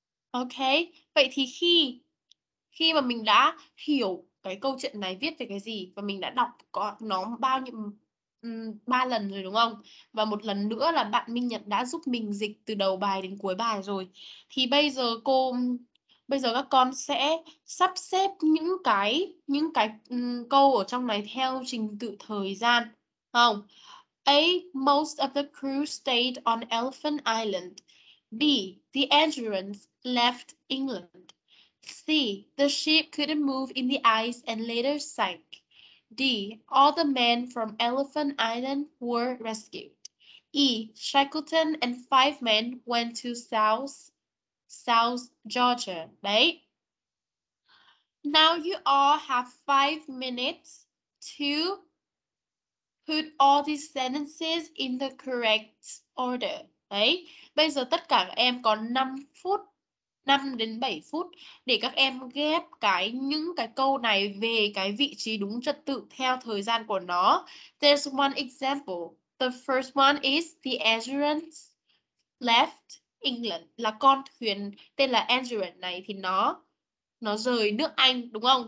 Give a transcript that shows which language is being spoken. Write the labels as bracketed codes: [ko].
[vi] Ok, vậy thì khi mà mình đã hiểu cái câu chuyện này viết về cái gì và mình đã đọc nó bao nhiêu 3 lần rồi đúng không? Và một lần nữa là bạn Minh Nhật đã giúp mình dịch từ đầu bài đến cuối bài rồi. Thì bây giờ các con sẽ sắp xếp những cái câu ở trong này theo trình tự thời gian. Không. A. [en] Most of the crew stayed on Elephant Island. B. The Endurance left England. C. The ship couldn't move in the ice and later sank. D. All the men from Elephant Island were rescued. E. Shackleton and 5 men went to South Georgia. Right? Now you all have 5 minutes to put all these sentences in the correct order. [vi] Đấy, bây giờ tất cả các em có 5 đến 7 phút để các em ghép những cái câu này về cái vị trí đúng trật tự theo thời gian của nó. [en] There's one example. The first one is the Endurance left England. [vi] Là con thuyền tên là Endurance này thì nó rời nước Anh, đúng không?